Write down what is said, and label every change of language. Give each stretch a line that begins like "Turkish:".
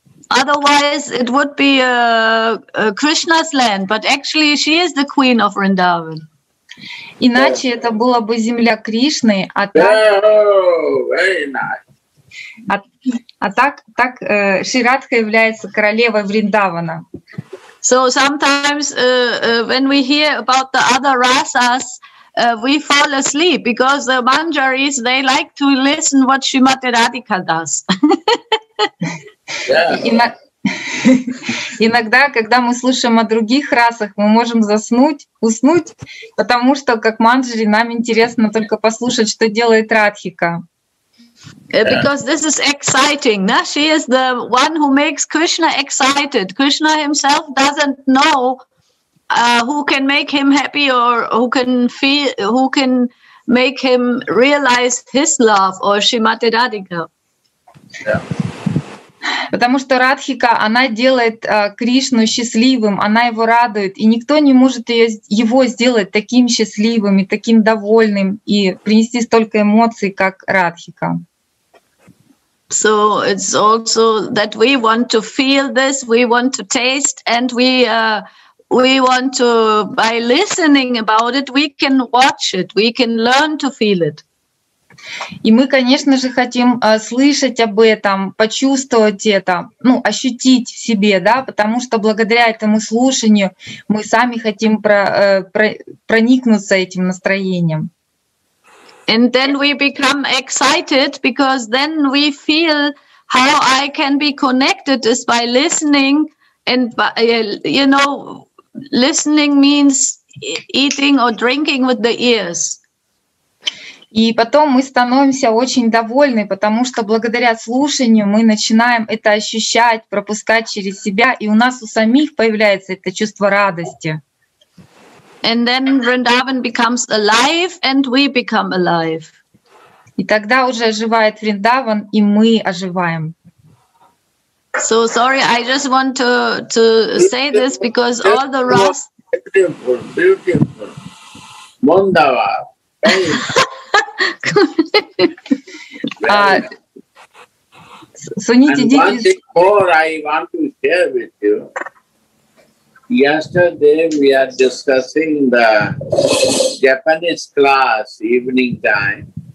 English: Otherwise, it would be Krishna's land, but actually, she is the queen of Vrindavan.
Russian: Иначе это было бы земля Кришны, а так.
English: Oh, very nice.
Russian: А так Шри Радха является королевой Вриндавана.
English: So sometimes when we hear about the other rasas, we fall asleep because the manjaris, they like to listen what Shrimati Radhika does.
Russian: Иногда, когда мы слышим о других расах, мы можем уснуть, потому что, как манджари, нам интересно только послушать, что делает Радхика.
English: Because this is exciting. No? She is the one who makes Krishna excited. Krishna himself doesn't know who can make him happy or who can make him realize his love or Shrimati Radhika.
Russian: Потому что Радхика, она делает Кришну счастливым, она его радует, и никто не может его сделать таким счастливым и таким довольным и принести столько эмоций, как Радхика.
English: So it's also that we want to feel this, we want to taste, and we want to, by listening about it, we can watch it, we can learn to feel it.
Russian: И мы, конечно же, хотим слышать об этом, почувствовать это, ну, ощутить в себе, да, потому что благодаря этому слушанию мы сами хотим проникнуться этим настроением.
English: And then we become excited because then we feel how I can be connected is by listening, and by, you know, listening means eating or drinking with the ears.
Russian: И потом мы становимся очень довольны, потому что благодаря слушанию мы начинаем это ощущать, пропускать через себя, и у нас у самих появляется это чувство радости.
English: And then Vrindavan becomes alive, and we become alive.
Russian: И тогда уже оживает Вриндаван, и мы оживаем.
English: So sorry, I just want to say this because all the rest. Beautiful, beautiful, wonderful.
Russian: Суните дети.
English: And one thing more I want to share with you. Yesterday we are discussing the Japanese class evening time.